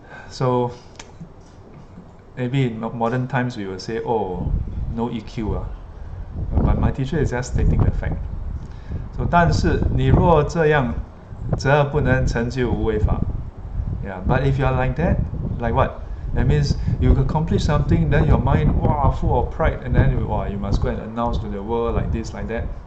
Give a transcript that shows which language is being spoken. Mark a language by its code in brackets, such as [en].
[en] So maybe in modern times we will say, oh, no EQ. But my teacher is just stating the fact. [zh] So, 但是你若这样，则不能成就无为法。 [en] Yeah, but if you are like that, like what? That means you accomplish something, then your mind, wow, full of pride, and then wow, you must go and announce to the world like this, like that.